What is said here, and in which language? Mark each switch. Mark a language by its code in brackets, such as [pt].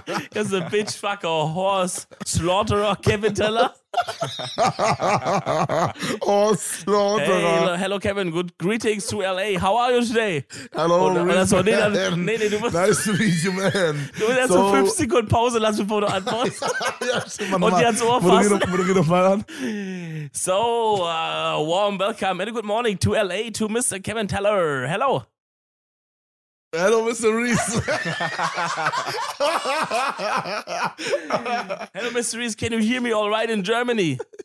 [de] Das ist ein Bitchfucker-Horse-Slaughterer, Kevin Teller. [en] Horse-Slaughterer. Hey, hello Kevin, good greetings to LA, how are you today? Hello, [de] du musst, [en] nice to meet you, man. [de] Du musst erst so 5 Sekunden Pause lassen, bevor du antwortest. Ja, Und die hat so aufpassen. [en] So, warm welcome and a good morning to LA to Mr. Kevin Teller. Hello. Hello, Mr. Reese. Hello, Mr. Reese. Can you hear me all right in Germany?